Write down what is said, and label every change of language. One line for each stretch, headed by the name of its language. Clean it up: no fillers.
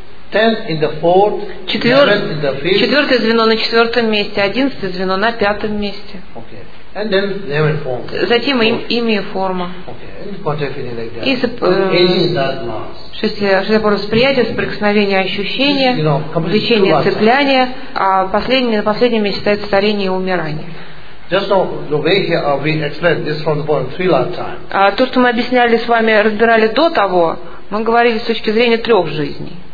Russian: Четвертое звено на четвертом месте, 11 звено на пятом месте.
English: Okay. And then name and form.
Russian: Затем имя и форма.
English: Okay.
Russian: Шестое поле восприятия, соприкосновение, ощущения, влечение, цепляние, а на последнем месте стоит старение и умирание.
English: Just now, the way here we explained this from the point of three lifetimes.
Russian: То, что мы объясняли с вами, разбирали до того, мы говорили с точки зрения трех жизней.